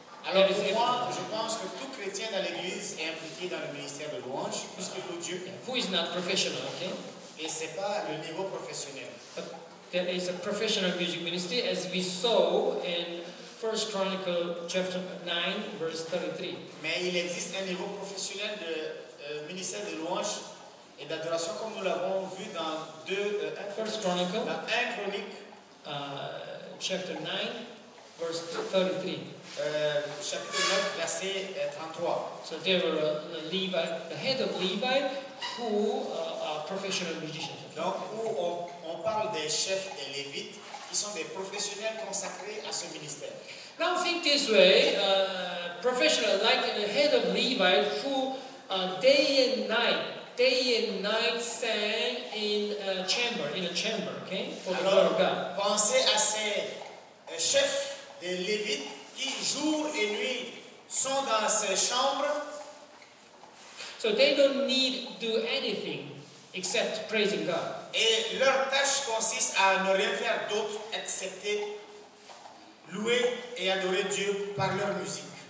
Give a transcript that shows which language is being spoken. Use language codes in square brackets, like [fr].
[fr] Alors pour moi, je pense que tout chrétien dans l'église est impliqué dans le ministère de louange, puisque pour Dieu. [en] Who is not professional, okay? [fr] Et c'est pas le niveau professionnel. [en] There is a professional music ministry, as we saw in 1 Chronicles chapter 9, verse 33. [fr] Mais il existe un niveau professionnel de ministère de louange et d'adoration, comme nous l'avons vu dans [en] 1 Chronicles, [fr] dans 1 Chronique, [en] chapter 9, verse 33. [fr] Chapitre 9, verset 33. [en] So there were a Levi, the head of Levi, who are professional musicians. [fr] Donc, où on parle des chefs et lévites qui sont des professionnels consacrés à ce ministère. [en] Now think this way, professional, like the head of Levi, who day and night sang in a chamber, okay, for [fr] alors, [en] the glory of God. [fr] Pensez à ces chefs des lévites qui jour et nuit sont dans ces chambres. [en] So they don't need to do anything except praising God. [fr] Et leur tâche consiste à ne rien faire d'autre excepté louer et adorer Dieu par leur musique.